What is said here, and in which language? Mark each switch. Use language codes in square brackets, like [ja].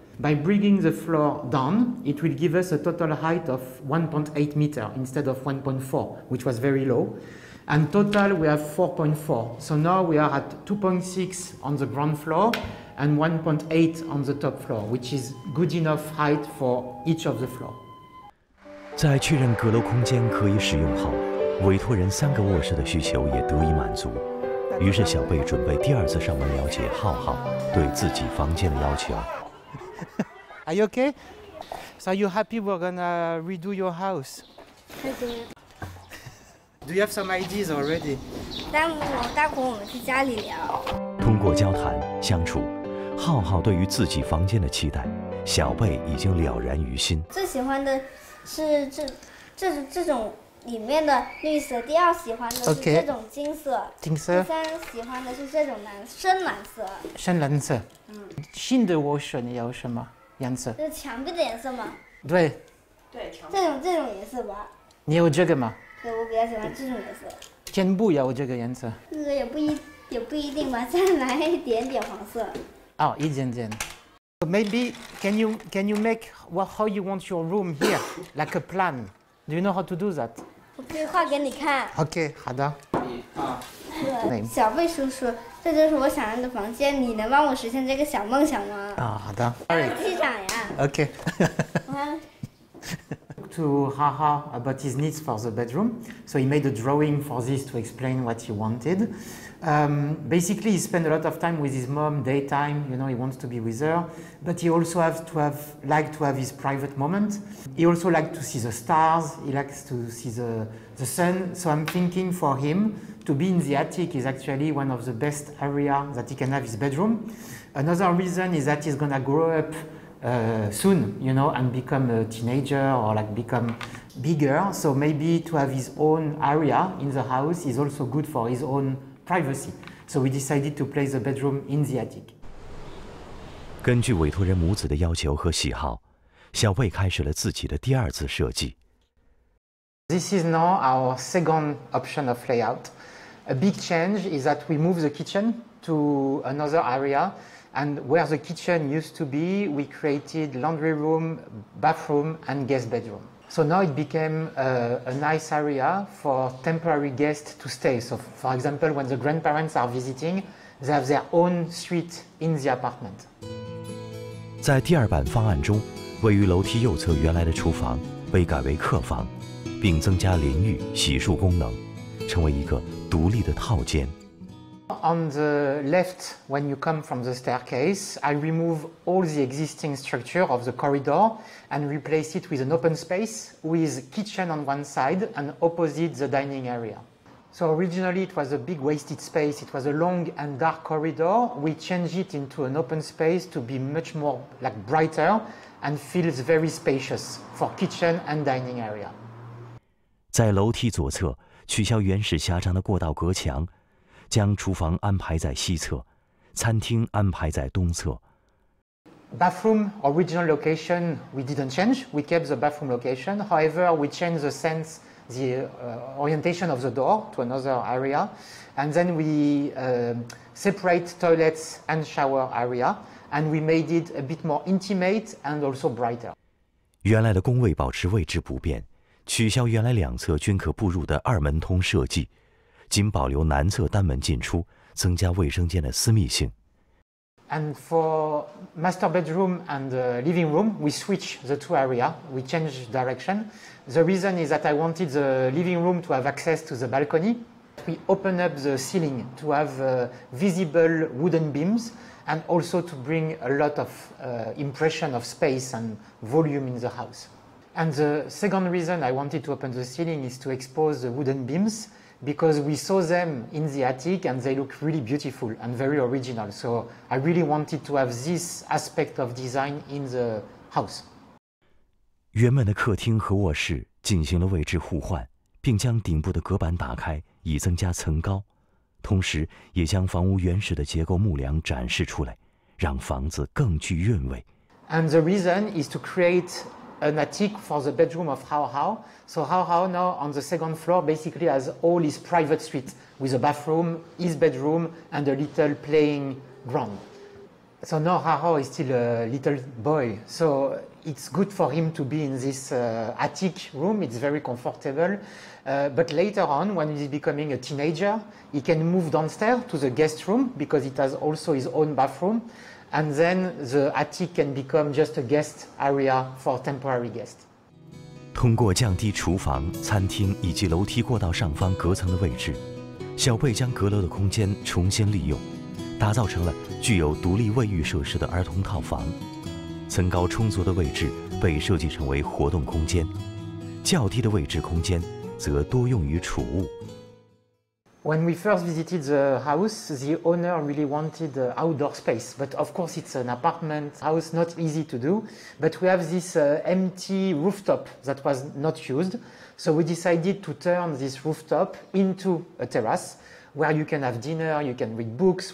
[en] By bringing the floor down, it will give us a total height of 1.8 meters instead of 1.4, which was very low. And total, we have 4.4. So now we are at 2.6 on the ground floor and 1.8 on the top floor, which is good enough height for each of the floor. [zh] 在确认阁楼空间可以使用后，委托人三个卧室的需求也得以满足。于是小贝准备第二次上门了解浩浩对自己房间的要求。 [en] Are you okay? So are you happy we're gonna redo your house? Okay. Do you have some ideas already? [zh] 待会儿我们去家里聊。通过交谈相处，浩浩对于自己房间的期待，小贝已经了然于心。最喜欢的是这种里面的绿色，第二喜欢的是这种金色， okay. 金色。第三喜欢的是这种深蓝色。深蓝色。嗯。新的卧室你要什么？颜色是墙壁的颜色吗？对，这种颜色吧。你有这个吗？对，我比较喜欢这种颜色。肩部也有这个颜色？这个也不一定吧，再来一点点黄色。哦、oh, ，一点点。 [en] So、maybe can you make how you want your room here like a plan? Do you know how to do that? [zh] 我可以画给你看。 OK， 好的。你啊，小贝叔叔。这就是我想要的房间，你能帮我实现这个小梦想吗？啊，好的。还有气场呀。 [en] OK 。 To Haha about his needs for the bedroom, so he made a drawing for this to explain what he wanted. Basically, he spent a lot of time with his mom daytime. You know, he wants to be with her, but he also likes to have his private moment. He also likes to see the stars. He likes to see the sun. So I'm thinking for him. To be in the attic is actually one of the best area that he can have his bedroom. Another reason is that he's gonna grow up soon, you know, and become a teenager or like become bigger. So maybe to have his own area in the house is also good for his own privacy. So we decided to place the bedroom in the attic. [zh] 根据委托人母子的要求和喜好，小贝开始了自己的第二次设计。 [en] This is now our second option of layout. A big change is that we move the kitchen to another area, and where the kitchen used to be, we created laundry room, bathroom, and guest bedroom. So now it became a nice area for temporary guests to stay. So for example, when the grandparents are visiting, they have their own suite in the apartment. [zh] 在第二版方案中，位于楼梯右侧原来的厨房被改为客房，并增加淋浴、洗漱功能，成为一个独立的套间。 [en] On the left, when you come from the staircase, I remove all the existing structure of the corridor and replace it with an open space with kitchen on one side and opposite the dining area. So originally it was a big wasted space. It was a long and dark corridor. We change it into an open space to be much more like brighter and feels very spacious for kitchen and dining area. [zh] 在楼梯左侧，取消原始狭长的过道隔墙，将厨房安排在西侧，餐厅安排在东侧。 [en] Bathroom original location we didn't change. We kept the bathroom location. However, we changed the sense, the orientation of the door to another area, and then we separate toilets and shower area, and we made it a bit more intimate and also brighter. [zh] 原来的工位保持位置不变，取消原来两侧均可步入的二门通设计。仅保留南侧单门进出，增加卫生间的私密性。 [en] And for master bedroom and living room, we switch the two area. We change direction. The reason is that I wanted the living room to have access to the balcony. We open up the ceiling to have visible wooden beams and also to bring a lot of impression of space and volume in the house. And the second reason I wanted to open the ceiling is to expose the wooden beams. Because we saw them in the attic and they look really beautiful and very original. So I really wanted to have this aspect of design in the house. [zh] 原本的客厅和卧室进行了位置互换，并将顶部的隔板打开以增加层高，同时也将房屋原始的结构木梁展示出来，让房子更具韵味。 [en] And the reason is to create an attic for the bedroom of Hao Hao. So Hao Hao now on the second floor basically has all his private suite with a bathroom, his bedroom, and a little playing ground. So now Hao Hao is still a little boy. So it's good for him to be in this attic room. It's very comfortable. But later on, when he's becoming a teenager, he can move downstairs to the guest room because it has also his own bathroom. And then the attic can become just a guest area for temporary guests. [zh] 通过降低厨房、餐厅以及楼梯过道上方隔层的位置，小贝将阁楼的空间重新利用，打造成了具有独立卫浴设施的儿童套房。层高充足的位置被设计成为活动空间，较低的位置空间则多用于储物。 [en] When we first visited the house, the owner really wanted outdoor space. But of course, it's an apartment house, not easy to do. But we have this empty rooftop that was not used. So we decided to turn this rooftop into a terrace where you can have dinner, you can read books.